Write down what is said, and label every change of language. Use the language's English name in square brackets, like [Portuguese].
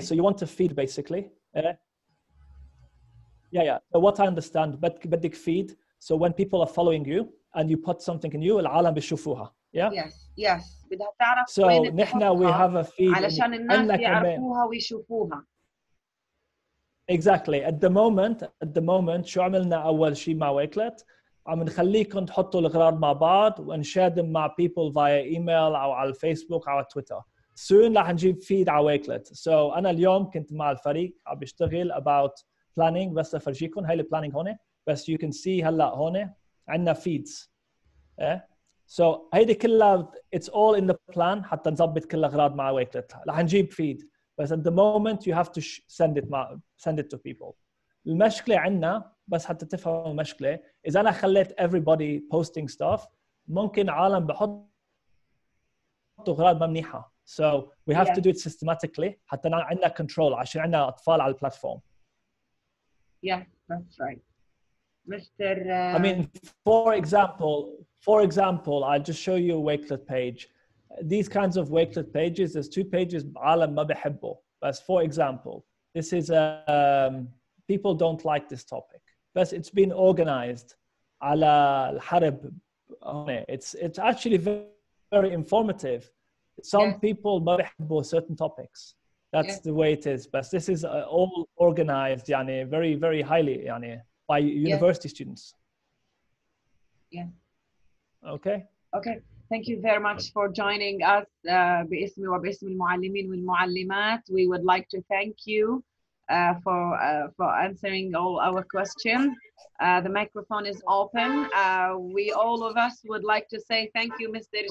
[English] So you want to feed basically. Yeah, yeah. So what I understand, [Arabic] بدك [English] feed. So when people are following you and you put something in you, [Arabic] العالم بيشوفوها. [English] Yeah. Yes. Yes. [Arabic] بدها تعرف. [English] So [Arabic] نحنا [English] we have a feed. [Arabic] علشان الناس يعرفوها ويشوفوها. [English] Exactly. [Arabic] At the moment, شو عملنا أول شيء مع Wakelet؟ عم نخليكم تحطوا الأغراض مع بعض [English] and share them [Arabic] مع [English] people via email [Arabic] أو على Facebook أو على Twitter. Soon راح نجيب feed على Wakelet. So أنا اليوم كنت مع الفريق عم بشتغل about planning بس أفرجيكم هاي planning هون بس [English] you can see [Arabic] هلا هون عندنا feeds yeah. [English] So [Arabic] هيدي كلها [English] it's all in the plan [Arabic] حتى نظبط كل أغراض مع Wakelet رح نجيب feed [English] بس at the moment you have to send it to people. [Arabic] المشكلة عندنا بس حتى تفهم المشكلة إذا أنا خليت [English] everybody posting stuff [Arabic] ممكن عالم بحط أغراض ما منيحة. [English] So we have to do it systematically [Arabic] حتى عندنا control عشان عندنا أطفال على platform. [English] Yeah, that's right. Mr. I mean, for example, I'll just show you a Wakelet page. These kinds of Wakelet pages, there's two pages, [Arabic] عالم ما بحبه. [English] But for example, this is, people don't like this topic. But it's been organized [Arabic] على الحرب. [English] It's actually very, very informative. Some people [Arabic] ما بحبه [English] certain topics. That's the way it is. But this is all organized, yani, very, very highly, yani, by university students. Yeah. Okay. Okay. Thank you very much for joining us. [Arabic] بإسمي وبإسم المعلمين والمعلمات. [English] We would like to thank you for answering all our questions. The microphone is open. We all of us would like to say thank you, Mr.